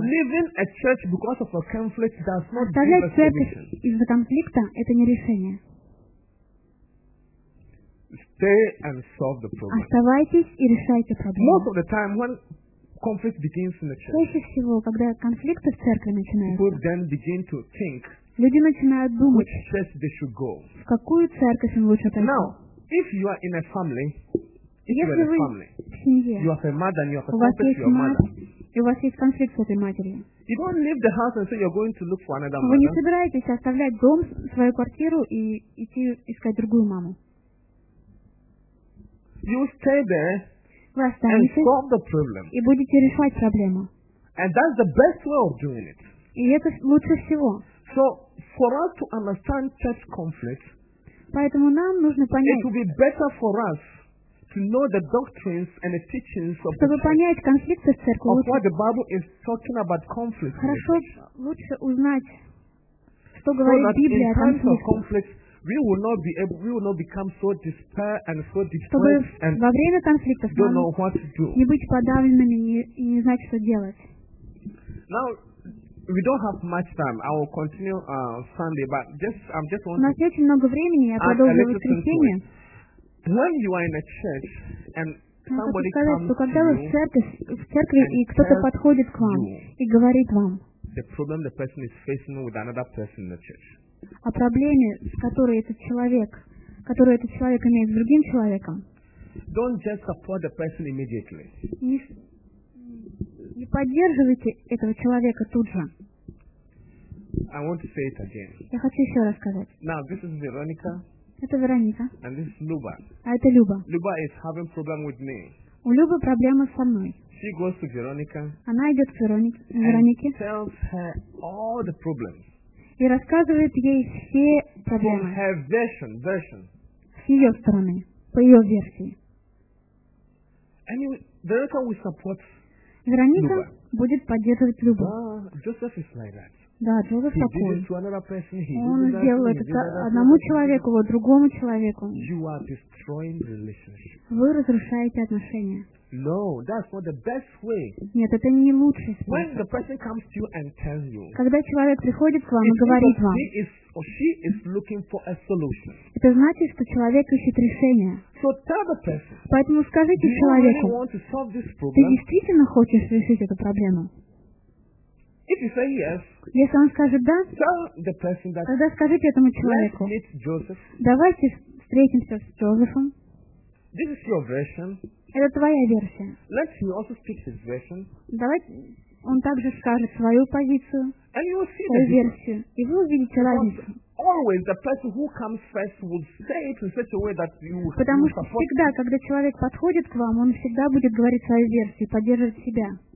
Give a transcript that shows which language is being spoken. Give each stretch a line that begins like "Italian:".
English: Leaving a church because of a conflict does not
Russian: оставлять церковь из-за конфликта – это не решение.
English: Stay and solve the problem.
Russian: Оставайтесь и решайте проблему.
English: Most of the time when conflict begins in the church,
Russian: чаще всего, когда конфликты в церкви начинаются,
English: people then begin to think,
Russian: люди начинают думать,
English: which church they should go.
Russian: В какую церковь им лучше пойти.
English: Now, if you are in a family,
Russian: если вы в семье,
English: you have a mother and you have a
Russian: у вас есть мать, и у вас есть конфликт с этой матерью,
English: you don't leave the house and say you're going to look for another
Russian: mother. Вы не собираетесь оставлять дом, свою квартиру и идти искать другую маму.
English: You stay there.
Russian: Вы останетесь
English: and solve the problem.
Russian: И будете решать проблему.
English: And that's the best way of doing it.
Russian: И это лучше всего.
English: So for us to understand church conflict,
Russian: поэтому нам нужно понять,
English: it will be better for us to know the doctrines and the teachings of
Russian: чтобы понять конфликты в церкви,
English: of what the Bible is talking about conflict.
Russian: Хорошо, лучше узнать, что
English: so
Russian: говорит Библия о конфликте.
English: Of conflict, we will not be able, we will not become so despair and so depressed
Russian: во время конфликтов
English: don't know what to do.
Russian: Не быть подавленными и не знать, что делать.
English: Now, we don't have much time. I will continue Sunday, but just I'm just wanting.
Russian: У нас очень много времени, я продолжу в воскресенье.
English: When you are in a church and somebody
Russian: сказать,
English: comes
Russian: когда вы в церкви и кто-то подходит к вам и говорит вам
English: the problem the person is facing with another person in the church.
Russian: О проблеме, с которой этот человек, которую этот человек имеет с другим человеком.
English: Don't just support the person immediately.
Russian: Не поддерживайте этого человека тут же.
English: I want to say it again.
Russian: Я хочу еще раз сказать.
English: Now this is Veronica.
Russian: Это Вероника.
English: And this is Luba.
Russian: А это Люба.
English: Luba is having problem with me.
Russian: У Любы проблема со мной.
English: She goes to Veronica.
Russian: Она идет к Веронике.
English: And tells her all the problems.
Russian: И рассказывает ей все проблемы.
English: From her version.
Russian: С ее стороны, по ее версии.
English: Anyway, Veronica will support
Russian: Вероника
English: Luba.
Russian: Будет поддерживать Любу.
English: Joseph is like that.
Russian: Да, Джозеф такой.
English: Person,
Russian: он сделал это одному человеку, вот другому человеку. Вы разрушаете отношения.
English: No, that's not the best way.
Russian: Нет, это не лучший способ.
English: When the person comes to you and tells you,
Russian: когда человек приходит к вам и говорит вам, это значит, что человек ищет решение.
English: So tell the person,
Russian: поэтому скажите человеку, ты действительно хочешь решить эту проблему?
English: If you say yes,
Russian: если он скажет да,
English: tell the person that,
Russian: тогда скажите этому человеку,
English: let's meet Joseph.
Russian: Давайте встретимся с Джозефом.
English: This is your version.
Russian: Это твоя версия.
English: Let's me also speak his version.
Russian: Давайте он также скажет свою позицию,
English: and you will see
Russian: свою версию, и вы увидите разницу.
English: Always the person who comes first will say it in such a way that you support.
Russian: Потому что всегда, когда человек подходит к вам, он всегда будет говорить свою версию, поддерживать себя.